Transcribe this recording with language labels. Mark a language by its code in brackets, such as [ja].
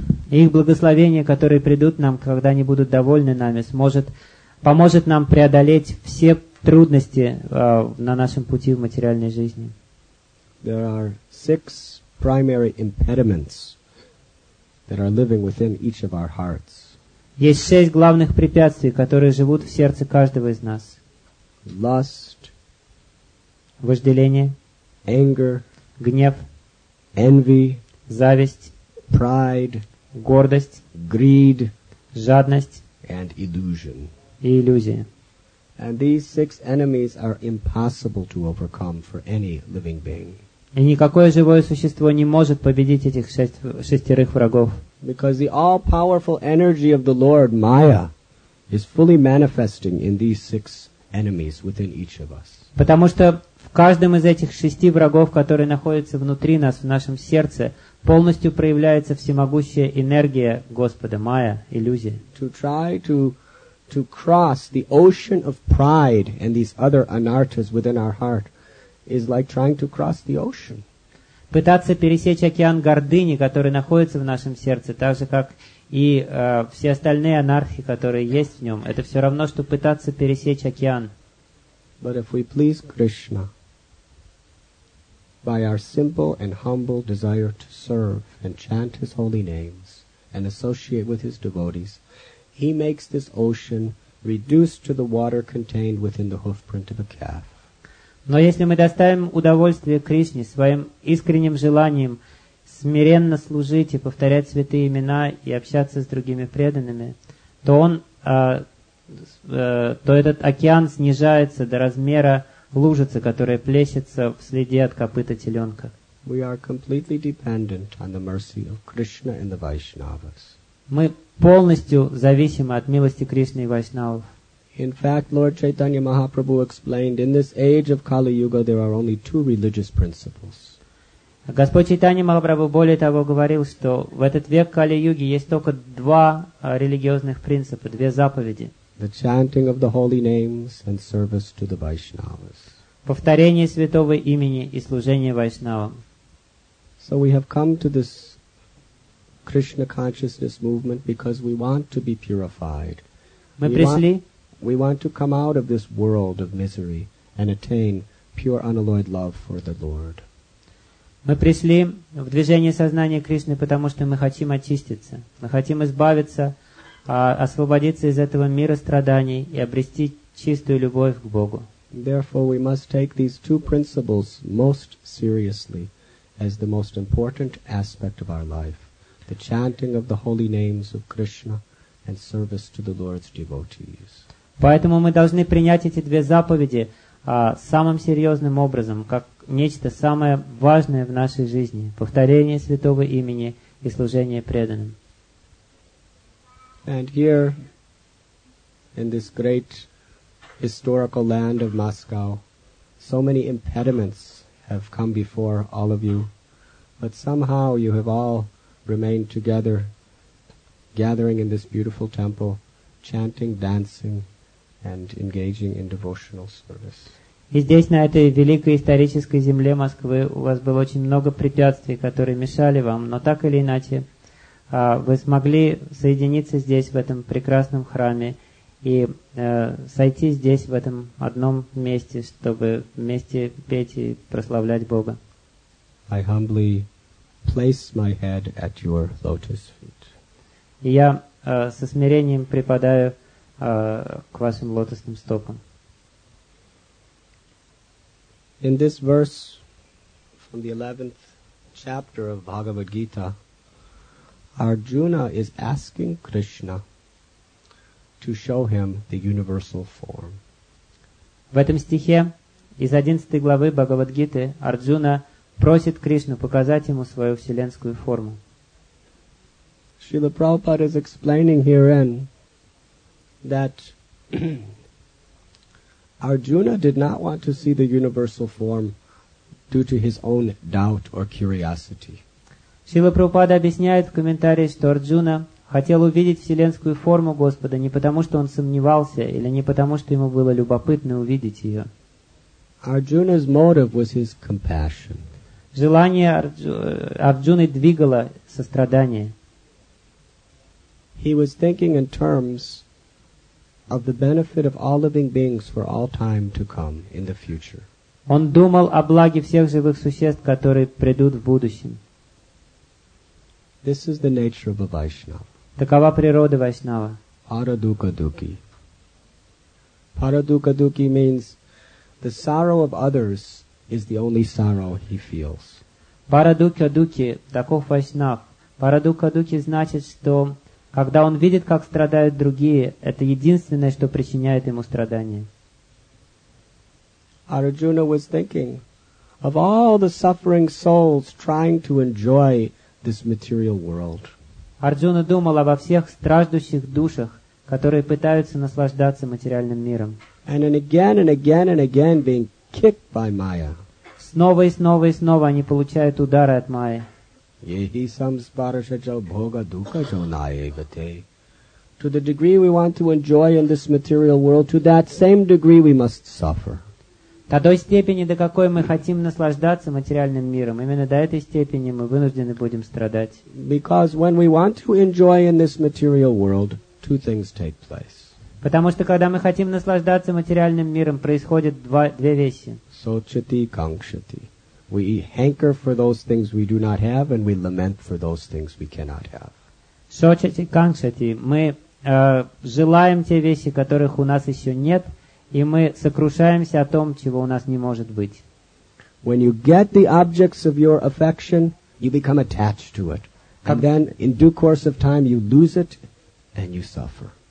[ru] Их благословение, которые придут нам, когда они будут довольны нами, поможет нам преодолеть все трудности на нашем пути в материальной жизни. [en] There are six primary impediments that are living within each of our hearts. [ru] Есть шесть главных препятствий, которые живут в сердце каждого из нас. [en] Lust, [ru] вожделение, [en] anger, [ru] гнев, [en] envy, [ru] зависть, [en] pride, [ru] гордость, [en] greed, [ru] жадность, [en] and illusion. [ru] И иллюзия. [en] And these six enemies are impossible to overcome for any living being. [ru] И никакое живое существо не может победить этих шестерых врагов. [en] Because the all-powerful energy of the Lord, Maya, is fully manifesting in these six enemies within each of us. [ru] Потому что в каждом из этих шести врагов, которые находятся внутри нас, в нашем сердце, полностью проявляется всемогущая энергия Господа, Maya, иллюзия. [en] To try to cross the ocean of pride and these other anarthas within our heart is like trying to cross the ocean. [ru] Пытаться пересечь океан гордыни, который находится в нашем сердце, так же, как и все остальные анархи, которые есть в нем, это все равно, что пытаться пересечь океан. [en] But if we please Krishna by our simple and humble desire to serve and chant his holy names and associate with his devotees, he makes this ocean reduced to the water contained within the hoof print of a calf. [ru] Но если мы доставим удовольствие Кришне своим искренним желанием смиренно служить и повторять святые имена и общаться с другими преданными, то то этот океан снижается до размера лужицы, которая плещется в следе от копыта теленка. [en] We are completely dependent on the mercy of Krishna and the Vaishnavas. [ru] Мы полностью зависимы от милости Кришны и Вайшнавов. [en] In fact, Lord Chaitanya Mahaprabhu explained, in this age of Kali Yuga, there are only two religious principles. [ru] Господь Чайтанья Махапрабху более того говорил, что в этот век Кали Юги есть только два религиозных принципа, две заповеди. [en] The chanting of the holy names and service to the Vaishnavas. [ru] Повторение святого имени и служение Вайшнавам. [en] So we have come to this Krishna consciousness movement because we want to be purified. [ru] Мы пришли. [en] We want to come out of this world of misery and attain pure unalloyed love for the Lord. [ru] Мы пришли в движение сознания Кришны, потому что мы хотим очиститься. Мы хотим избавиться, освободиться из этого мира страданий и обрести чистую любовь к Богу. [en] Therefore, we must take these two principles most seriously as the most important aspect of our life, the chanting of the holy names of Krishna and service to the Lord's devotees. [ru] Поэтому мы должны принять эти две заповеди самым серьезным образом, как нечто самое важное в нашей жизни – повторение святого имени и служение преданным. [en] And here, in this great historical land of Moscow, so many impediments have come before all of you, but somehow you have all remained together, gathering in this beautiful temple, chanting, dancing, and engaging in devotional service. [ru] И здесь, на этой великой исторической земле Москвы, у вас было очень много препятствий, которые мешали вам, но так или иначе, вы смогли соединиться здесь, в этом прекрасном храме, и сойти здесь, в этом одном месте, чтобы вместе петь и прославлять Бога. [en] I humbly place my head at your lotus feet. [ru] И я со смирением припадаю к вашим лотосным стопам. [en] In this verse from the 11th chapter of Bhagavad Gita, Arjuna is asking Krishna to show him the universal form. [ru] В этом стихе из 11 главы Бхагавад Гиты Арджуна просит Кришну показать ему свою вселенскую форму. [en] Srila Prabhupada is explaining herein that Arjuna did not want to see the universal form due to his own doubt or curiosity. [ru] Śrīla Prabhupāda объясняет в комментарии, что Арджуна хотел увидеть вселенскую форму Господа не потому, что он сомневался, или не потому, что ему было любопытно увидеть ее. [en] Arjuna's motive was his compassion. [ru] Желание Арджуны двигало сострадание. [en] He was thinking in terms of the benefit of all living beings for all time to come in the future. [ru] Он думал о благе всех живых существ, которые придут в будущем. [en] This is the nature of a Vaishnava. [ru] Такова природа Вайшнава. [sa] Парадукадуки. [en] Парадукадуки means the sorrow of others is the only sorrow he feels. [ru] Парадукадуки, таков Вайшнав. Парадукадуки значит, что когда он видит, как страдают другие, это единственное, что причиняет ему страдания. [en] Arjuna was thinking of all the suffering souls trying to enjoy this material world. [ru] Арджуна думал обо всех страждущих душах, которые пытаются наслаждаться материальным миром. [en] And again and again and again being kicked by Maya. [ru] Снова и снова и снова они получают удары от Майи. [sa] Yehi samsparashajal bhoga dukha jonayevate. [en] To the degree we want to enjoy in this material world, to that same degree we must suffer. [ru] До той степени, до какой мы хотим наслаждаться материальным миром, именно до этой степени мы вынуждены будем страдать. [en] Because when we want to enjoy in this material world, two things take place. [ru] Потому что когда мы хотим наслаждаться материальным миром, происходят две вещи. [sa] Сочати и кангшати. [en] We hanker for those things we do not have, and we lament for those things we cannot have. [sa] Сочати и кангшати. [ru] Мы желаем те вещи, которых у нас еще нет, и мы сокрушаемся о том, чего у нас не может быть. [en] When you get the objects of your affection, you become attached to it. And then, in due course of time, you lose it, and you suffer.